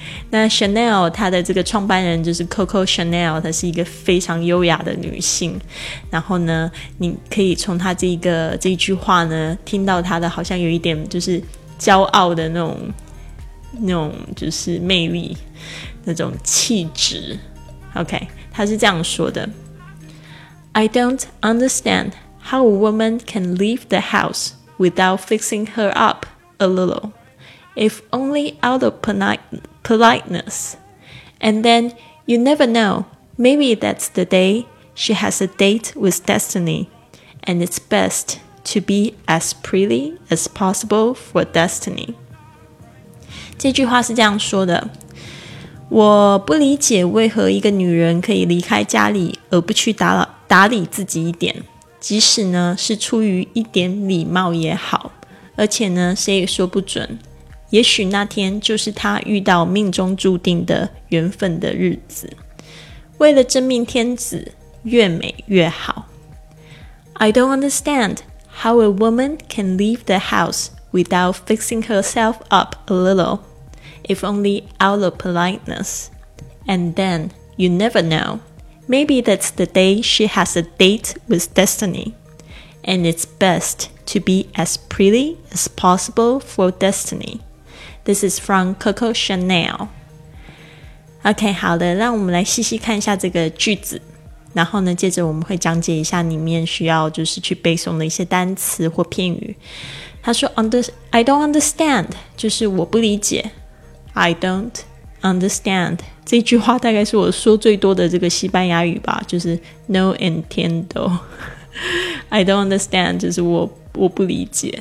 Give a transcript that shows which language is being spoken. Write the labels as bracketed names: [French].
[Chinese] 那 Chanel 它的这个创办人就是 Coco Chanel， 她是一个非常优雅的女性。然后呢，你可以从她这句话呢听到她的好像有一点就是骄傲的那种就是魅力，那种气质。 [English] OK， [Chinese] 他是这样说的， [English] I don't understand how a woman can leave the house without fixing her up a little, if only out of politeness. And then you never know, maybe that's the day she has a date with destiny, and it's best to be as pretty as possible for destiny. [Chinese] 这句话是这样说的，我不理解为何一个女人可以离开家里而不去打理自己一点，即使呢是出于一点礼貌也好，而且呢谁也说不准，也许那天就是她遇到命中注定的缘分的日子。为了真命天子，越美越好。 [English] I don't understand how a woman can leave the house without fixing herself up a little. If only out of politeness. And then, you never know. Maybe that's the day she has a date with destiny. And it's best to be as pretty as possible for destiny. This is from Coco Chanel. [Chinese] OK, 好的，让我们来细细看一下这个句子。然后呢，接着我们会讲解一下里面需要就是去背诵的一些单词或片语。他说 [English] I don't understand, [Chinese] 就是我不理解。 [English] I don't understand [Chinese] 这句话大概是我说最多的这个西班牙语吧，就是 [Spanish] No entiendo [English] I don't understand [Chinese] 就是我不理解。